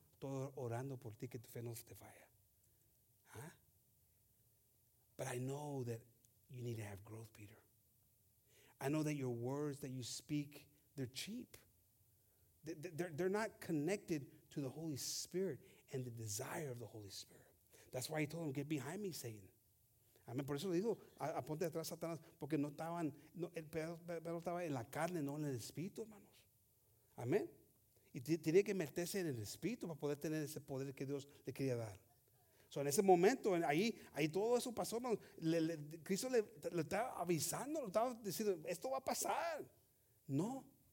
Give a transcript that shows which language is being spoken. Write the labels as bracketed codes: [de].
[es] Estoy orando por ti que tu fe no te falla. Huh? [en] But I know that you need to have growth, Peter. I know that your words that you speak, they're cheap. They're not connected to the Holy Spirit and the desire of the Holy Spirit. That's why he told him, get behind me, Satan. Amen. [es] Por eso le dijo, aponte atrás, Satanás, porque no estaban, no, el perro estaba en la carne, no en el espíritu, hermanos. Amén. Y tiene que meterse en el espíritu para poder tener ese poder que Dios le quería dar. So, en ese momento, ahí todo eso pasó, hermanos. Cristo le estaba avisando, le estaba diciendo, esto va a pasar. No.